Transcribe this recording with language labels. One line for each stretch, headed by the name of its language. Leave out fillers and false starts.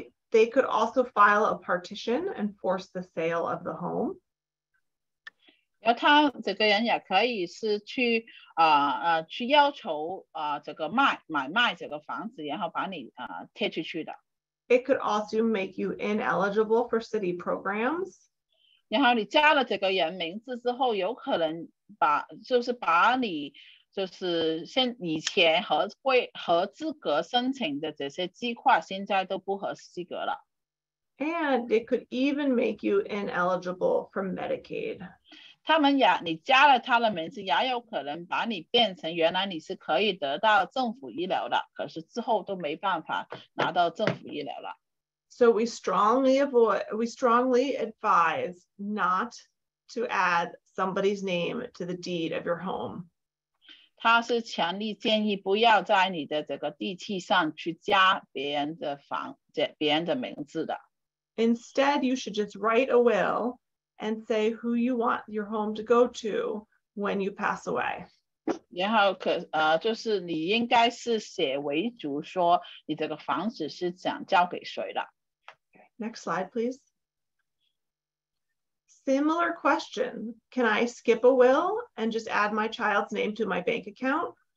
English: They could also file a partition and force the sale of the home.
Chinese: 然后他这个人也可以是去去要求这个买卖这个房子，然后把你贴出去的。
English: It could also make you ineligible for city programs.
Chinese: 然后你加了这个人名字之后，有可能把你就是先以前合资格申请的这些计划，现在都不合资格了。
English: And it could even make you ineligible for Medicaid.
Chinese: 他们你加了他的名字，也有可能把你变成原来你是可以得到政府医疗的，可是之后都没办法拿到政府医疗了。
English: So we strongly advise not to add somebody's name to the deed of your home.
Chinese: 他是强力建议不要在你的这个地契上去加别人的名字的。
English: Instead, you should just write a will and say who you want your home to go to when you pass away.
Chinese: 然后就是你应该是写遗嘱说你这个房子是想交给谁的。
English: Next slide, please. similar question. Can I skip a will and just add my child's name to my bank account?